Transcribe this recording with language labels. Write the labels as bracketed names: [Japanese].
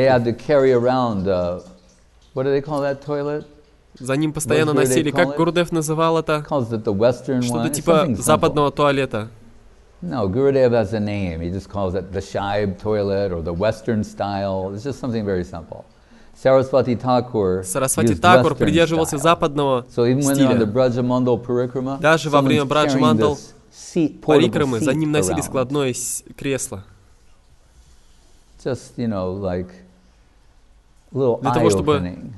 [English] They had to carry around, what do they call that toilet? [Russian] За ним постоянно носили. Как Гурудев называл это? Что-то типа западного туалета. [English] No, Gurudev has a name. He just calls it the Shaib toilet or the Western style. It's just something very simple. Сарасвати Такур [Russian] придерживался западного стиля. Даже во время Браджамандал парикрамы за ним носили складное кресло. [English] Just, you know, like little [Russian] для того, чтобы